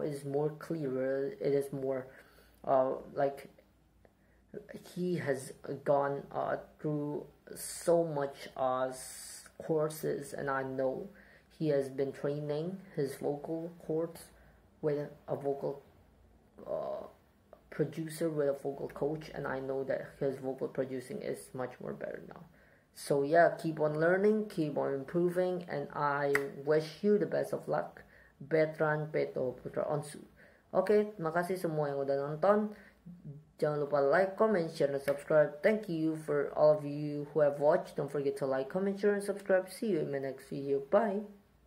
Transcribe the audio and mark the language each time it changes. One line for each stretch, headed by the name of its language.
English: It is more clearer, it is more like he has gone through so much courses, and I know he has been training his vocal cords with a vocal producer, with a vocal coach, and I know that his vocal producing is much more better now. So yeah, keep on learning, keep on improving, and I wish you the best of luck. BETRAND PETO Putra Onsu.
Indonesian: Okay, makasih semua yang udah nonton. Jangan lupa
English: like, comment, share, and subscribe. Thank you for all of you who have watched. Don't forget to like, comment, share, and subscribe. See you in my next video. Bye.